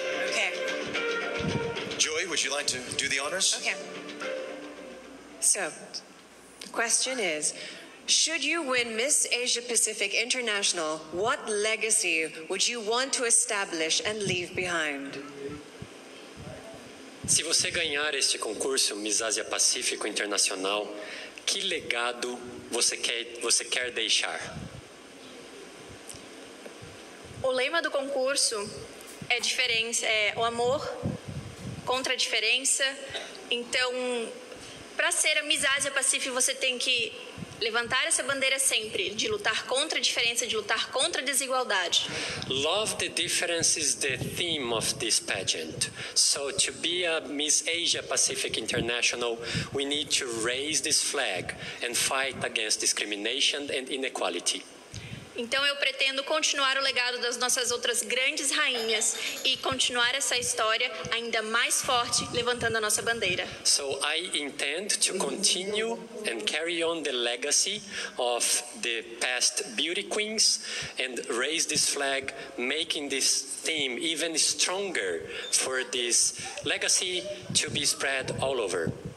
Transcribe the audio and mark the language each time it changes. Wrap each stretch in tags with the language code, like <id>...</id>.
<en>Okay. Joey, would you like to do the honors? Okay. So, the question is, should you win Miss Asia Pacific International, what legacy would you want to establish and leave behind?</en> <pt>Se você ganhar este concurso Miss Asia Pacífico Internacional, que legado você quer deixar? O lema do concurso é diferença, é o amor contra a diferença. Então, para ser a Miss Asia Pacífico, você tem que Levantar essa bandeira sempre, de lutar contra a diferença, de lutar contra a desigualdade.</pt> <en>Love the difference is the theme of this pageant. So to be a Miss Asia Pacific International, we need to raise this flag and fight against discrimination and inequality.</en> <pt>Então eu pretendo continuar o legado das nossas outras grandes rainhas e continuar essa história ainda mais forte, levantando a nossa bandeira.</pt> <en>So I intend to continue and carry on the legacy of the past beauty queens and raise this flag, making this theme even stronger for this legacy to be spread all over.</en>